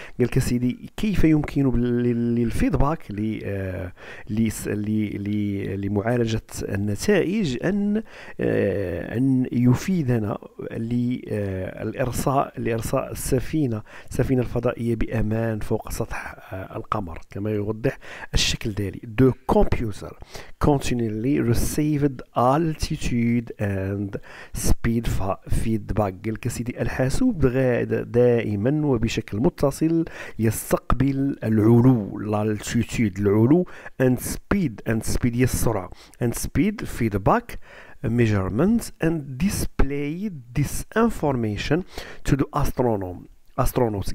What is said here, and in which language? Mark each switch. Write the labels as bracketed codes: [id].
[ar] قالك سيدي كيف يمكن للفيدباك لمعالجة النتائج أن يفيدنا لإرساء السفينة الفضائية بأمان فوق سطح القمر، كما يوضح الشكل ذلك. [en] The computer continually received altitude and speed feedback. [ar] قالك سيدي الحاسوب دائما وبشكل متصل يستقبل العلو، لالتيتود العلو، [en] and speed السرعة، and speed feedback measurements and display this information to the astronauts.